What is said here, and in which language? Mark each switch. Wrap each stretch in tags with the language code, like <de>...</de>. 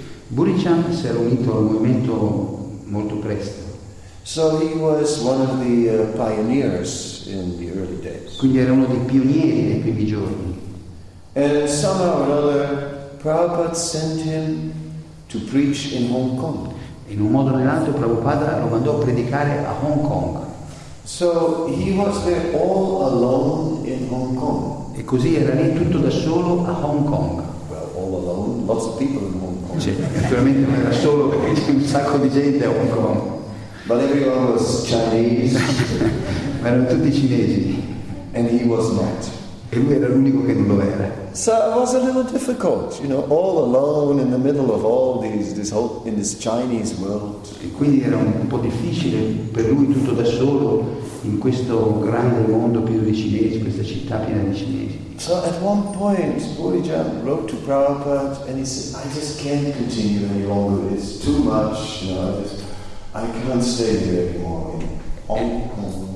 <it>Burijan si era unito al movimento molto presto.</it> <en>So he was one of the pioneers in the early days.</en> <it>Quindi era uno dei pionieri dei primi giorni.</it> <en>And somehow or another, Prabhupada sent him to preach in Hong Kong.</en> <it>In un modo o nell'altro, Prabhupada lo mandò a predicare a Hong Kong.</it> <en>So he was there all alone in Hong Kong.</en> <it>E così era lì tutto da solo a Hong Kong.</it> <en>Well, all alone, lots of people in Hong Kong.</en> <it>Sì, naturalmente non era solo perché c'è un sacco di gente a Hong Kong.</it> <en>But everyone was Chinese.</en> <it>Ma erano tutti cinesi.</it> <en>And he was not.</en> <it>E lui era l'unico che non lo era.</it> <en>So it was a little difficult, you know, all alone in the middle of all these, this whole, in this Chinese world.</en> <it>E quindi era un po' difficile per lui tutto da solo in questo grande mondo pieno di cinesi, questa città piena di cinesi.</it> <en>So at one point, Bodhijan wrote to Prabhupada and he said, I just can't continue any longer, it's too much, you know, I can't stay here anymore in Hong Kong.</en>